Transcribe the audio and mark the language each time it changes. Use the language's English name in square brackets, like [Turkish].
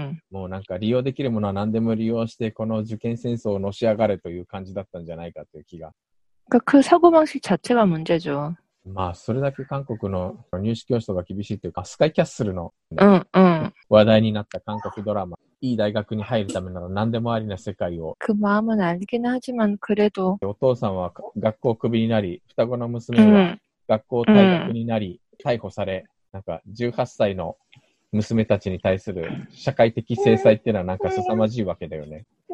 [Japanese] もうなんか利用できるものは何でも利用してこの受験戦争をのし上がれという感じだったんじゃないかという気が。 [Korean] 그사고방식자체가문제죠。 [Japanese] まあそれだけ韓国の入試競争が厳しいというか、スカイキャッスルの、ね、話題になった韓国ドラマ、いい大学に入るためなら何でもありな世界を。 [Korean] 그마음은알기는하지만그래도。 [Japanese] お父さんは学校クビになり、双子の娘は学校退学になり、逮捕され、なんか18歳の娘たちに対する社会的制裁っていうのはなんか凄まじいわけだよね。